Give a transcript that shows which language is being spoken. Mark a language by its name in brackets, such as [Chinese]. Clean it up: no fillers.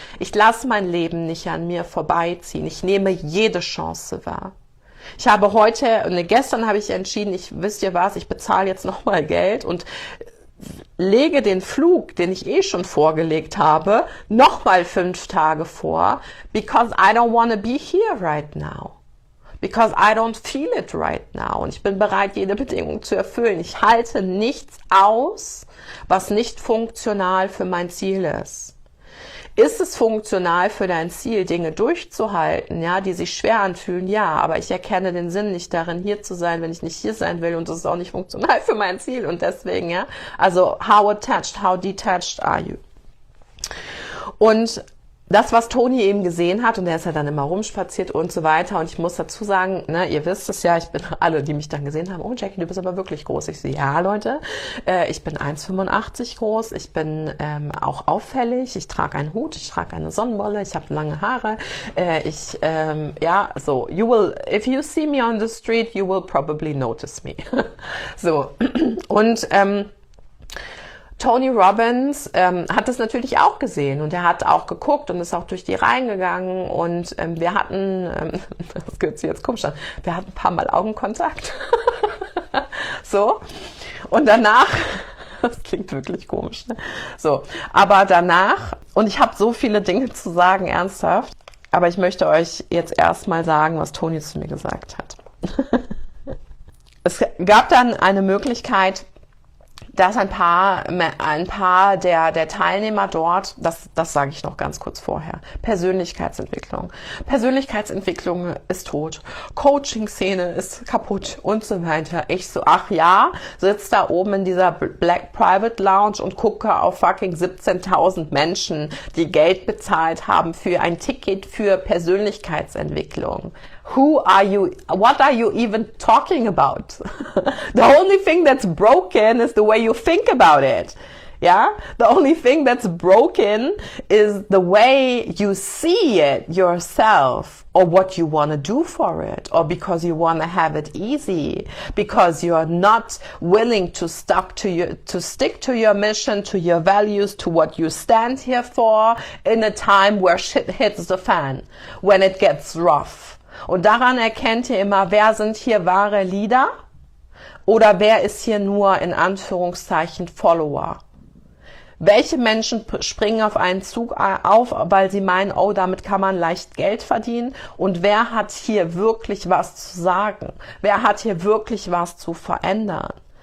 [German] Ich lasse mein Leben nicht an mir vorbeiziehen. Ich nehme jede Chance wahr. Ich habe heute, und gestern habe ich entschieden, ich, wisst ihr was, ich bezahle jetzt nochmal Geld und lege den Flug, den ich eh schon vorgelegt habe, nochmal 5 Tage vor, [English] because I don't want to be here right now. Because I don't feel it right now. [German] Und ich bin bereit, jede Bedingung zu erfüllen. Ich halte nichts aus, was nicht funktional für mein Ziel ist. Ist es funktional für dein Ziel, Dinge durchzuhalten, ja, die sich schwer anfühlen? Ja, aber ich erkenne den Sinn nicht darin, hier zu sein, wenn ich nicht hier sein will. Und das ist auch nicht funktional für mein Ziel. Und deswegen, ja, also [English] how attached, how detached are you? [German] Und das, was Toni eben gesehen hat, und er ist ja dann immer rumspaziert und so weiter. Und ich muss dazu sagen, ne, ihr wisst es ja, ich bin alle, die mich dann gesehen haben, oh Jackie, du bist aber wirklich groß. Ich sehe, so, ja, Leute, ich bin 1,85 groß, ich bin auch auffällig, ich trage einen Hut, ich trage eine Sonnenbrille, ich habe lange Haare. Ich, ja, [English] so, you will, if you see me on the street, you will probably notice me. So, und [German] Tony Robbins hat das natürlich auch gesehen und er hat auch geguckt und ist auch durch die Reihen gegangen. Und wir hatten, das hört sich jetzt komisch an, wir hatten ein paar Mal Augenkontakt. So. Und danach, das klingt wirklich komisch, ne? So. Aber danach, und ich habe so viele Dinge zu sagen, ernsthaft, aber ich möchte euch jetzt erstmal sagen, was Tony zu mir gesagt hat. Es gab dann eine Möglichkeit, dass ein paar der Teilnehmer dort, das sage ich noch ganz kurz vorher, Persönlichkeitsentwicklung. Persönlichkeitsentwicklung ist tot. Coaching-Szene ist kaputt und so weiter. Ich so, ach ja, sitze da oben in dieser Black Private Lounge und gucke auf fucking 17.000 Menschen, die Geld bezahlt haben für ein Ticket für Persönlichkeitsentwicklung. [English] Who are you? What are you even talking about? The only thing that's broken is the way you think about it. Yeah? The only thing that's broken is the way you see it yourself, or what you want to do for it, or because you want to have it easy, because you're not willing to stick to your mission, to your values, to what you stand here for in a time where shit hits the fan, when it gets rough. [German] Und daran erkennt ihr immer, wer sind hier wahre Leader oder wer ist hier nur in Anführungszeichen Follower. Welche Menschen springen auf einen Zug auf, weil sie meinen, oh, damit kann man leicht Geld verdienen? Und wer hat hier wirklich was zu sagen? Wer hat hier wirklich was zu verändern?